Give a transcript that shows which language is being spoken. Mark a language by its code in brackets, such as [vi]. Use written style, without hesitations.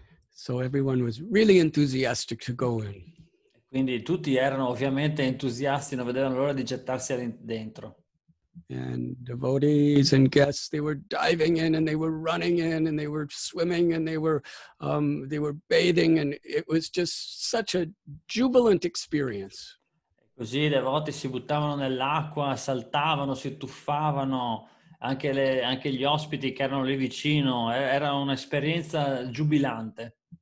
[en] So everyone was really enthusiastic to go in. [it] Quindi tutti erano ovviamente entusiasti, non vedevano l'ora di gettarsi dentro. [en] And devotees and guests, they were diving in and they were running in and they were swimming and they were bathing, and it was just such a jubilant experience. [it] Così i devoti si buttavano nell'acqua, saltavano, si tuffavano, anche gli ospiti che erano lì vicino, era un'esperienza giubilante.